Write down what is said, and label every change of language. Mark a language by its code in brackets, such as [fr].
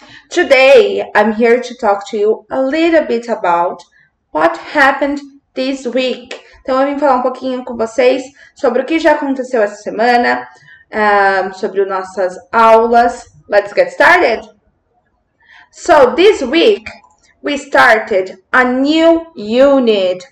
[en] Today, I'm here to talk to you a little bit about what happened this week. [pt] Então, eu vim falar um pouquinho com vocês sobre o que já aconteceu essa semana, sobre nossas aulas. [en] Let's get started. So, this week, we started a new unit.